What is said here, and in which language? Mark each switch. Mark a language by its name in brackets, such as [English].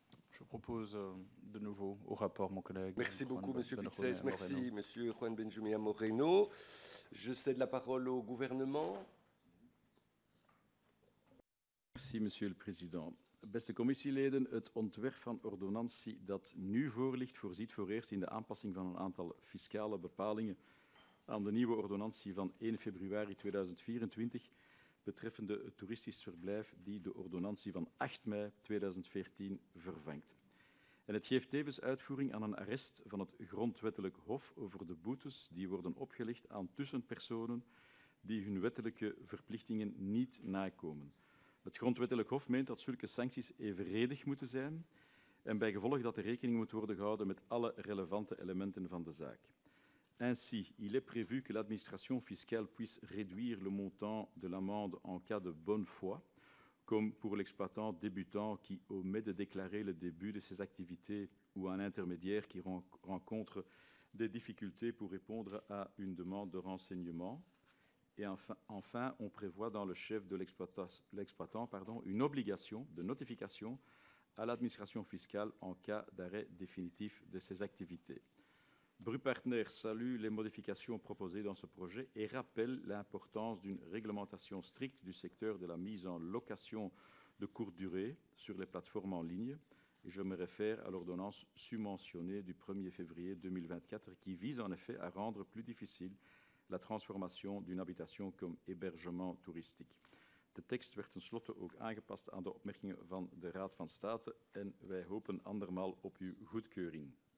[French] Je propose de nouveau au rapport mon collègue. Merci beaucoup, Monsieur Pixès. Merci, Monsieur Juan Benjumea Moreno. Je cède la parole au gouvernement. Merci, Monsieur le Président. [Dutch] Beste commissieleden, het ontwerp van ordonnantie dat nu voorligt voorziet voor eerst in de aanpassing van een aantal fiscale bepalingen aan de nieuwe ordonnantie van 1 februari 2024 betreffende het toeristisch verblijf die de ordonnantie van 8 mei 2014 vervangt. En het geeft tevens uitvoering aan een arrest van het grondwettelijk hof over de boetes die worden opgelegd aan tussenpersonen die hun wettelijke verplichtingen niet nakomen. Het grondwettelijk hof meent dat zulke sancties evenredig moeten zijn en bij gevolg dat er rekening moet worden gehouden met alle relevante elementen van de zaak. [French] Ainsi, il est prévu que l'administration fiscale puisse réduire le montant de l'amende en cas de bonne foi, comme pour l'exploitant débutant qui omet de déclarer le début de ses activités ou un intermédiaire qui rencontre des difficultés pour répondre à une demande de renseignement. Et enfin, on prévoit dans le chef de l'exploitant, une obligation de notification à l'administration fiscale en cas d'arrêt définitif de ses activités. Brupartner salue les modifications proposées dans ce projet et rappelle l'importance d'une réglementation stricte du secteur de la mise en location de courte durée sur les plateformes en ligne. Et je me réfère à l'ordonnance subventionnée du 1er février 2024 qui vise en effet à rendre plus difficile la transformation d'une habitation comme hébergement touristique. [Dutch] De tekst werd tenslotte ook aangepast aan de opmerkingen van de Raad van State en wij hopen andermaal op uw goedkeuring.